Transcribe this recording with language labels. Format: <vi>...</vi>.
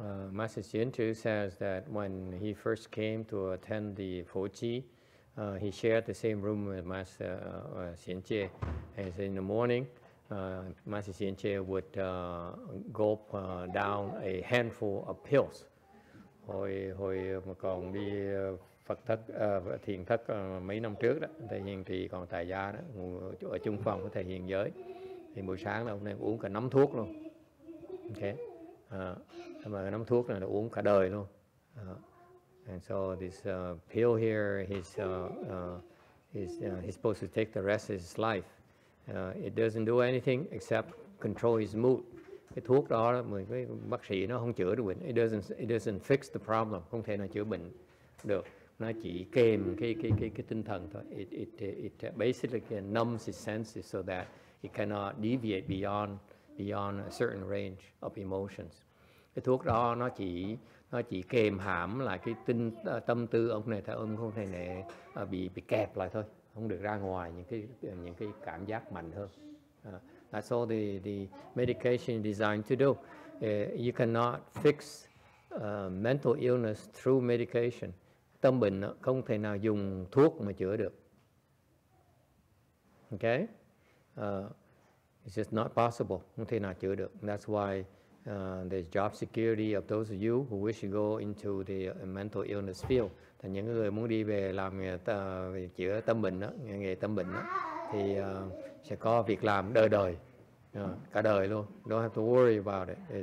<en>Master Xianzhu says that when he first came to attend the Foqi, he shared the same room with Master Xianzhe. And in the morning, Master Xianzhe would gulp down a handful of pills.</en> <vi>Hồi mà còn đi Phật thất, thiền thất mấy năm trước đó, thầy Hiền thì còn tại gia đó, ở chung phòng với thầy Hiền giới. Thì buổi sáng là ông này uống cả nắm thuốc luôn. Okay. Mà nắm thuốc này là uống cả đời luôn.</vi> <en>And so this pill here, he's supposed to take the rest of his life. It doesn't do anything except control his mood.</en> <vi>Cái thuốc đó là cái bác sĩ nó không chữa được bệnh.</vi> <en>It doesn't fix the problem.</en> <vi>Không thể nào chữa bệnh được. Nó chỉ kềm cái tinh thần thôi.</vi> <en>It basically numbs his senses so that he cannot deviate beyond a certain range of emotions.</en> <vi>Cái thuốc đó nó chỉ kềm hãm lại cái tâm tư ông này, thấy ông không thể này bị kẹp lại thôi, không được ra ngoài những cái cảm giác mạnh hơn.</vi> <en>That's all the medication designed to do. You cannot fix mental illness through medication.</en> <vi>Tâm bệnh không thể nào dùng thuốc mà chữa được.</vi> <en>Okay? It's just not possible.</en> <vi>Không thể nào chữa được.</vi> <en>That's why there's job security of those of you who wish to go into the mental illness field.</en> <vi>Thì những người muốn đi về làm nghề chữa tâm bệnh đó, nghề tâm bệnh đó, thì sẽ có việc làm đời đời, cả đời luôn.</vi> <en>Don't have to worry about it.</en>